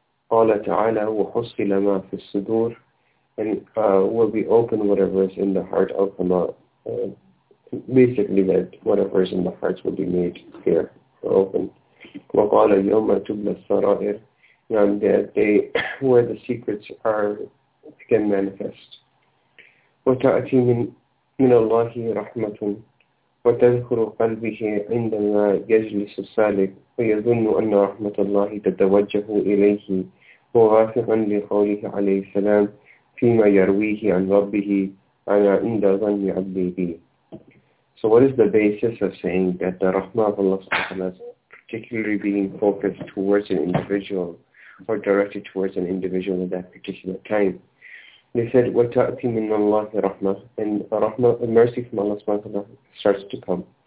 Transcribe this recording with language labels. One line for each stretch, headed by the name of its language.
Arabic: قال تعالى وحصل ما في الصدور,
English: and will be open whatever is in the heart of the basically that whatever is in the hearts will be made clear or open.
Arabic: وقال يوم تبلى السرائر,
English: and that day where the secrets are again manifest.
Arabic: وتأتي من الله رحمة وتذكر قلبه عندما يجلس السالك ويظن أن رحمة الله تتوجه إليه موافقا لقوله عليه السلام فيما يرويه عن ربه أنا عند ظن عبدي بي.
English: So what is the basis of saying that the rahmah of Allah subhanahu wa ta'ala is particularly being focused towards an individual or directed towards an individual at that particular time? They said,
Arabic: وَتَأْتِي مِنَّ اللَّهِ رَحْمَةٍ,
English: and rahmah, mercy from Allah subhanahu wa ta'ala starts to come.